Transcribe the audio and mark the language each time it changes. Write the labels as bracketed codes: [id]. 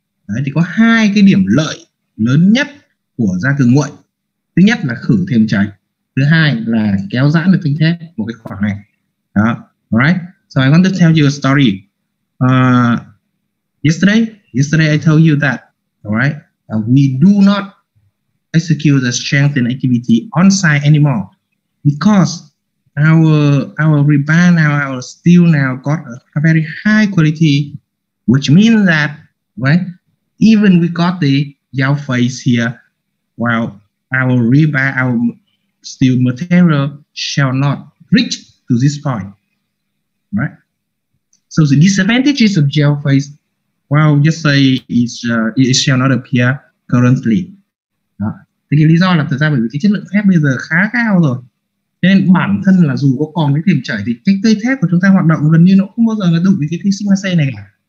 [vi] Đấy, thì có hai cái điểm lợi lớn nhất của da cường nguội. Thứ nhất là khử thêm cháy, thứ hai là kéo giãn được thanh thép một cái khoảng này. Đó, alright. [en] So I want to tell you a story. Yesterday I told you that, alright, we do not execute the strengthening activity on site anymore because our rebar now, our steel now got a very high quality, which means that, right, even we got the yaw face here, while our rebar, our steel material shall not reach to this point, right? So the disadvantages of yaw face, well, just say it shall not appear currently. [vi] Thì cái lý do là thực ra bởi vì cái chất lượng thép bây giờ khá cao rồi. Thế nên bản thân là dù có còn cái thềm chảy thì cái cây thép của chúng ta hoạt động gần như nó không bao giờ là đụng với cái sigma C này cả.